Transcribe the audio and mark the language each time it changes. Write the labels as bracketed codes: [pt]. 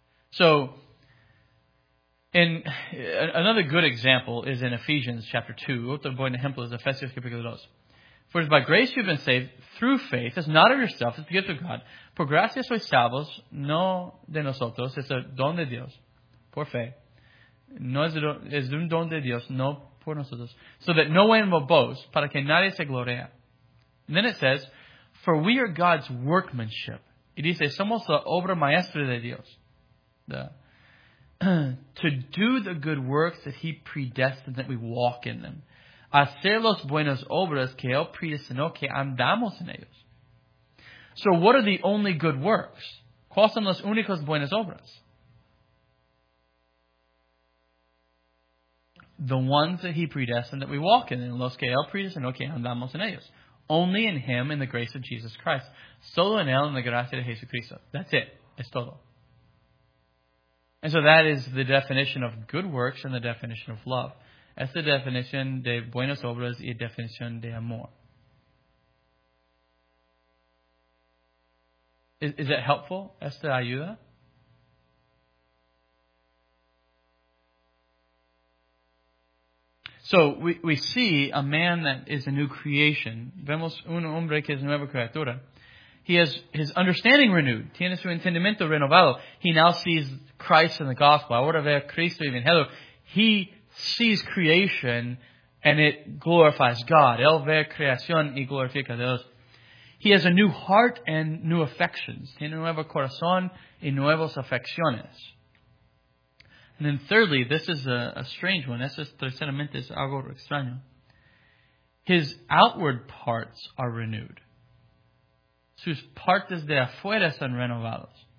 [en] So, another good example is in Ephesians chapter 2. [es] Otro buen ejemplo es Efesios capítulo 2. [en] For it is by grace you have been saved through faith. It's not of yourself, it's the gift of God. [es] Por gracia sois salvos, no de nosotros, es el don de Dios, por fe. No es un don de Dios, no por nosotros. [en] So that no one will boast, [es] para que nadie se gloria. [en] And then it says, for we are God's workmanship. [es] Y dice, somos la obra maestra de Dios. [en] To do the good works that he predestined that we walk in them. [es] Hacer los buenas obras que él predestinó que andamos en ellos. [en] So what are the only good works? [es] ¿Cuáles son las únicas buenas obras? [en] The ones that he predestined that we walk in them. [es] Los que él predestinó que andamos en ellos. [en] Only in him in the grace of Jesus Christ. [es] Solo en él en la gracia de Jesucristo. [en] That's it. [es] Es todo. [en] And so that is the definition of good works and the definition of love. [es] Es la definición de buenas obras y definición de amor. [en] Is that helpful? [es] ¿Esta ayuda? [en] So we see a man that is a new creation. [es] Vemos un hombre que es nueva criatura. [en] He has his understanding renewed. [es] Tiene su entendimiento renovado. [en] He now sees Christ in the gospel. [es] Ahora ve a Cristo y Evangelio. [en] He sees creation and it glorifies God. [es] Él ve creación y glorifica a Dios. [en] He has a new heart and new affections. [es] Tiene nuevo corazón y nuevas afecciones. [en] And then thirdly, this is a strange one. [es] Eso es tercermente es algo extraño. [en] His outward parts are renewed. [es] Sus partes de afuera son renovadas.